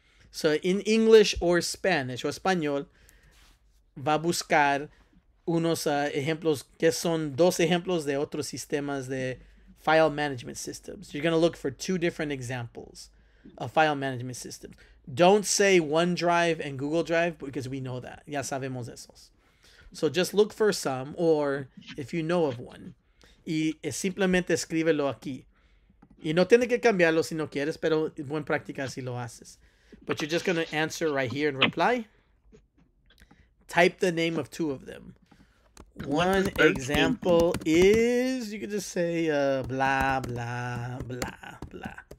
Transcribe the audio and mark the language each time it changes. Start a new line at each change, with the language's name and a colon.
English: So in English or Spanish
Spanish: o español, va a buscar unos ejemplos que son dos ejemplos de otros sistemas de file management systems.
English: You're going to look for two different examples of file management systems. Don't say OneDrive and Google Drive because we know that.
Spanish: Ya sabemos esos.
English: So just look for some, or if you know of one,
Spanish: y simplemente escríbelo aquí. Y no tiene que cambiarlo si no quieres, pero es buena práctica si lo haces.
English: But you're just going to answer right here in reply. Type the name of two of them. What One does search mean? example is, you could just say blah, blah, blah, blah.